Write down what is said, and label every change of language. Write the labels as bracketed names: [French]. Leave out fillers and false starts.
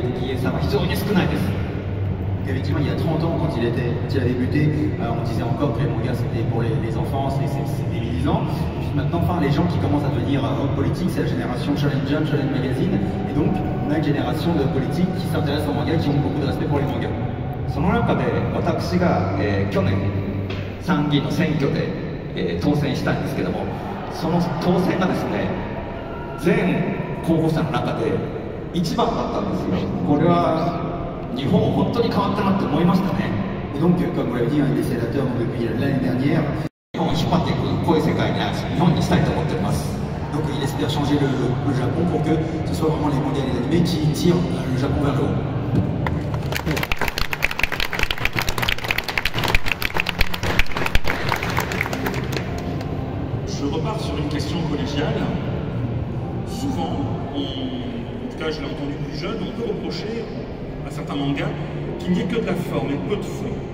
[Japanese] やっぱり30年前はですね、漫画なんてくだらないみたいなことを言われたこともありましたが、現在の日本の国会議員、いよいよ少年ジャンプ世代、少年漫画人世代になってきました。今、漫画くだらないとか言っている議員さんは非常に少ないです。 [French] Effectivement, il y a 30 ans, quand il était déjà débuté, on disait encore que les mangas c'était pour les enfants, c'est débilisant. Et puis maintenant, enfin, les gens qui commencent à devenir hommes politiques, c'est la génération Shonen Jump, Shonen Magazine. Et donc, une génération de politiques qui s'intéressent aux mangas et qui ont beaucoup de respect pour les mangas. [Japanese] その中で私が去年参議院の選挙で当選したんですけども、その当選がですね、全候補者の中で一番だったんですよ。これは日本本当に変わったなって思いましたね。 [French] Donc, comme vous l'avez dit, un des sénateurs depuis l'année dernière, [Japanese] 日本を引っ張っていく、こういう世界に日本にしたいと思っています。 [French] Donc il essaie de changer le Japon pour que ce soit vraiment les mangas et les animés qui tirent le Japon vers le haut. Je repars sur une question collégiale. Souvent, en tout cas je l'ai entendu plus jeune, on peut reprocher à certains mangas qu'il n'y ait que de la forme et peu de fond.